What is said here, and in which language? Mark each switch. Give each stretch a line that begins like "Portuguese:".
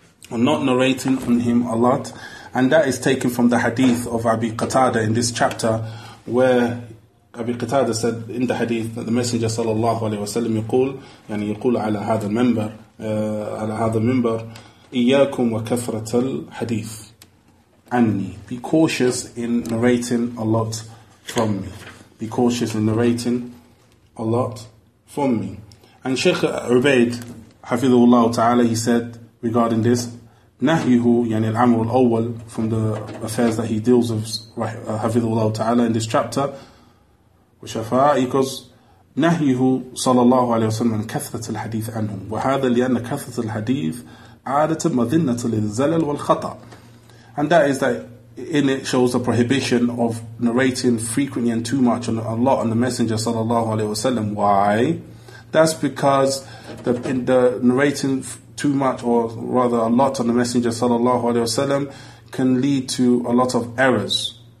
English: On not narrating on him a lot. And that is taken from the hadith of Abi Qatada in this chapter, where Abi Qatada said in the hadith that the Messenger sallallahu alaihi wasallam
Arabic: يقول يعني يقول على هذا المنبر على هذا المنبر إياكم وكثرة الحديث عني.
English: Be cautious in narrating a lot from me. Be cautious in narrating a lot from me. And Sheikh Ubaid
Arabic: حفظه الله تعالى,
English: he said regarding this,
Arabic: نهيه يعني العمر الأول,
English: from the affairs that he deals with
Arabic: حفظه الله تعالى
English: in this chapter,
Arabic: وشفاء,
English: because
Arabic: نهيه صلى الله عليه وسلم عن كثرة الحديث عنه, وهذا لأن كثرة الحديث عادة مذنة للزلل والخطأ.
English: And that is that in it shows the prohibition of narrating frequently and too much on Allah and the Messenger صلى الله عليه وسلم. Why? That's because the narrating too much, or rather a lot on the Messenger sallallahu alayhi wa sallam, can lead to a lot of errors.